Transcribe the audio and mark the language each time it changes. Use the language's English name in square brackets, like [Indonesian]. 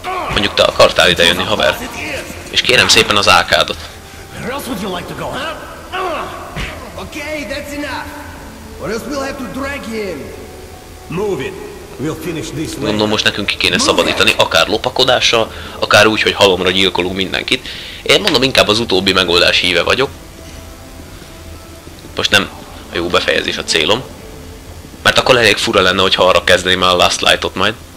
[Hungarian] Mondjuk te akartál ide jönni, haver. És kérem szépen az AK-dot. [English] Where else would you like to go, huh? Okay, that's enough. Or else we'll have to drag him. Move it. We'll finish this way. [Hungarian] Gondolom, most nekünk ki kéne szabadítani, akár lopakodással, akár úgy, hogy halomra gyilkolunk mindenkit. Én mondom, inkább az utóbbi megoldás híve vagyok. Most nem a jó befejezés a célom. Mert akkor elég fura lenne, hogyha arra kezdeném el a Last Light-ot majd.